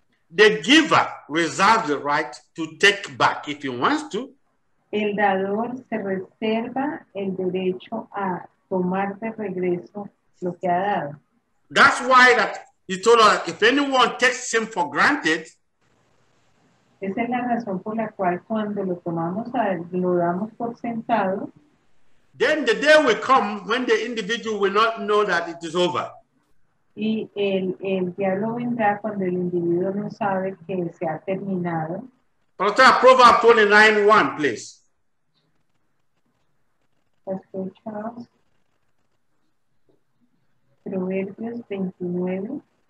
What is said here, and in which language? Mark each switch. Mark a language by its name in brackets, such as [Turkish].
[English] The giver reserves the right to take back if he wants to. [Spanish] El dador se reserva el derecho a tomar de regreso lo que ha dado. [English] That's why that he told us if anyone takes him for granted. [Spanish] Esa es la razón por la cual cuando lo tomamos lo damos por sentado. [English] Then the day will come when the individual will not know that it is over. [Spanish] Y el diablo vendrá cuando el individuo no sabe que se ha terminado. [English] Proverbs 29:1, please. Pastor Charles. [Spanish] Proverbios 29.